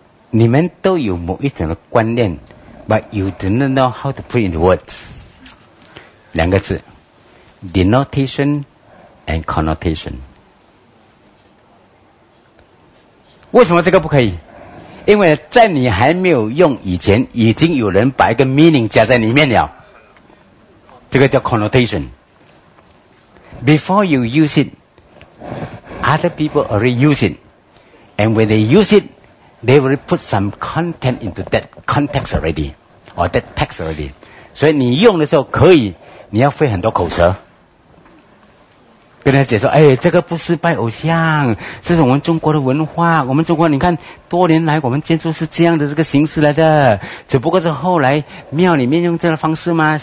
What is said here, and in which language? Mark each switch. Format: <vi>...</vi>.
<zh>你们都有某一种的观念</zh> <en>but you do not know how to put in words</en> <zh>两个字</zh> <en>denotation and connotation。</en> <zh>为什么这个不可以？因为在你还没有用以前，已经有人把一个 meaning 加在里面了，这个叫 connotation。</zh> <en>Before you use it, other people already use it, and when they use it, they will put some content into that context already or that text already。</en> <zh>所以你用的时候可以，你要费很多口舌跟他解说，哎，这个不是拜偶像，这是我们中国的文化。我们中国，你看，多年来我们建筑是这样的这个形式来的，只不过是后来庙里面用这个方式吗？</zh>